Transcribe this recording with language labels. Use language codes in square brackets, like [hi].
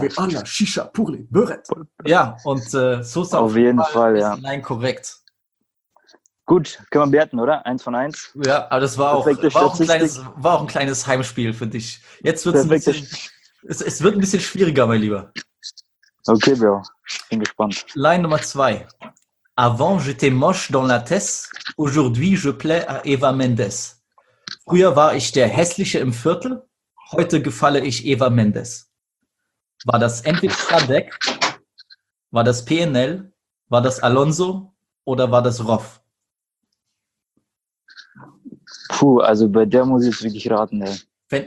[de] Schwefana, Shisha, Purli, Buret. Ja, und Sosa auf jeden Fall ist ein Line korrekt. Gut, können wir bewerten, oder? 1-1. Ja, aber das war auch ein kleines Heimspiel für dich. Jetzt wird es wird ein bisschen schwieriger, mein Lieber. Okay, Bro. Bin gespannt. Line Nummer 2. [fr] Avant, j'étais moche dans la Tess. Aujourd'hui, je plais à Eva Mendes. [de] Früher war ich der Hässliche im Viertel. Heute gefalle ich Eva Mendes. War das entweder Stradek, war das PNL, war das Alonso oder war das Roff? Puh, also bei der muss ich es wirklich raten, ey.